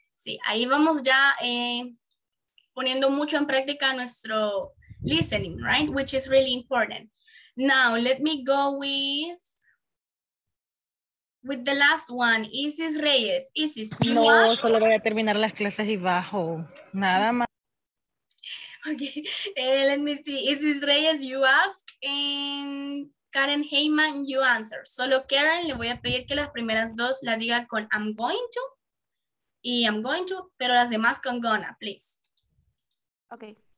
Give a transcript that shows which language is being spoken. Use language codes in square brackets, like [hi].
[es] Sí, ahí vamos ya poniendo mucho en práctica nuestro listening, right? [en] Which is really important. Now, let me go with the last one. Isis Reyes. Isis, [es] ¿tú no, bajo? Solo voy a terminar las clases y bajo. Nada más. [en] Okay, let me see. Isis Reyes, you ask, and Karen Heyman, you answer. [es] Solo Karen, le voy a pedir que las primeras dos la diga con [en] I'm going to, y I'm going to, [es] pero las demás con [en] gonna, please. Okay.